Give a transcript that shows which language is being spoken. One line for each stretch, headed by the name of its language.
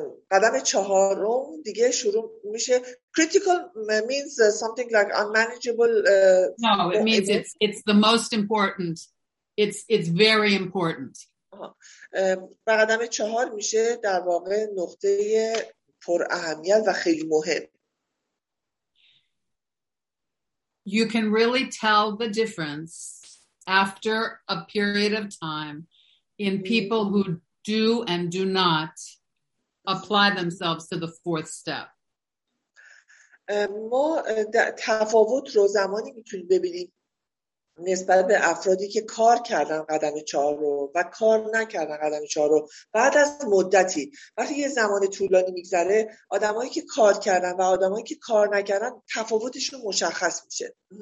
Persian: قدم چهارم دیگه شروع میشه.
English: Critical means something like unmanageable. No, it means it's the most important. It's very important.
Persian: قدم چهار میشه در واقع نقطه پر اهمیت و خیلی مهم.
English: You can really tell the difference after a period of time in people who do and do not apply themselves to the fourth step.
Persian: ما تفاوت رو زمانی میتونیم ببینیم نسبت به افرادی که کار کردن قدم چهار رو و کار نکردن قدم چهار رو بعد از مدتی. وقتی یه زمان طولانی میگذره آدمایی که کار کردن و آدمایی که کار نکردن تفاوتشون مشخص میشه.